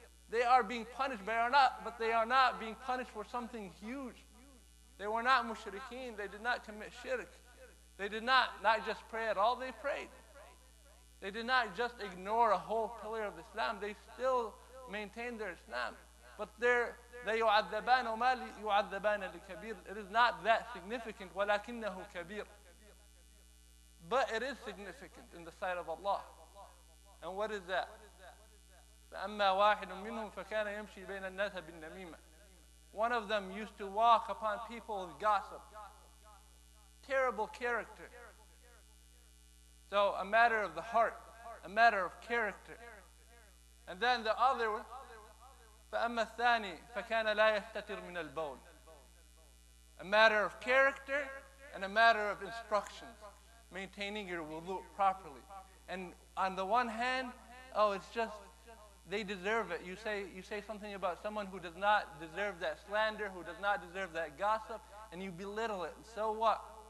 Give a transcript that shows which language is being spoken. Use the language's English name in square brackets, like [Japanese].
[English] They are being punished, but they are not being punished for something huge. They were not mushrikeen. They did not commit shirk. They did not just pray at all, they prayed. They did not just ignore a whole pillar of Islam. They still maintained their Islam. But they [Arabic] يُعَذَّبَانَ وَمَا يُعَذَّبَانَ لِكَبِيرٌ. [English] It is not that significant. [Arabic] وَلَكِنَّهُ كَبِيرٌ. [English] But it is significant in the sight of Allah. And what is that? [Arabic] فَأَمَّا وَاحِدٌ مِّنْهُمْ فَكَانَ يَمْشِي بَيْنَ النَّاسَ بِالنَّمِيمَةِ. [English] One of them used to walk upon people with gossip. Terrible character. So a matter of the heart, a matter of character. And then the other one, [Arabic] فَأَمَّا الثَّانِي فَكَانَ لَا يَسْتَتِرْ مِنَ الْبَوْلِ. [English] A matter of character and a matter of instructions, maintaining your wudu properly. And on the one hand, oh, it's just, they deserve it. You say something about someone who does not deserve that slander, who does not deserve that gossip, and you belittle it. So what?